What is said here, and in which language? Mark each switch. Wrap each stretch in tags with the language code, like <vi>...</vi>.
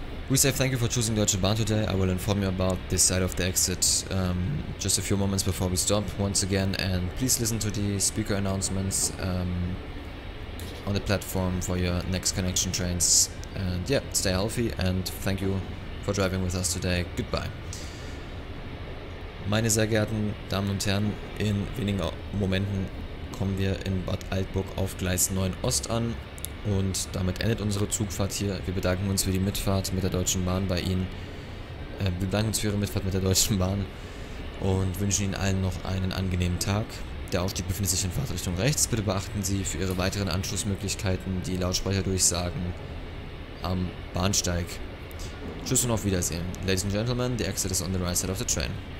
<en>We say thank you for choosing Deutsche Bahn today. I will inform you about this side of the exit just a few moments before we stop once again, and please listen to the speaker announcements on the platform for your next connection trains. And yeah, stay healthy and thank you for driving with us today. Goodbye.</en> <de>Meine sehr geehrten Damen und Herren, in wenigen Momenten kommen wir in Bad Altburg auf Gleis 9 Ost an. Und damit endet unsere Zugfahrt hier. Wir bedanken uns für die Mitfahrt mit der Deutschen Bahn bei Ihnen. Wir bedanken uns für Ihre Mitfahrt mit der Deutschen Bahn und wünschen Ihnen allen noch einen angenehmen Tag. Der Aufstieg befindet sich in Fahrtrichtung rechts. Bitte beachten Sie für Ihre weiteren Anschlussmöglichkeiten die Lautsprecherdurchsagen am Bahnsteig. Tschüss und auf Wiedersehen.</de> <en>Ladies and Gentlemen, the exit is on the right side of the train.</en>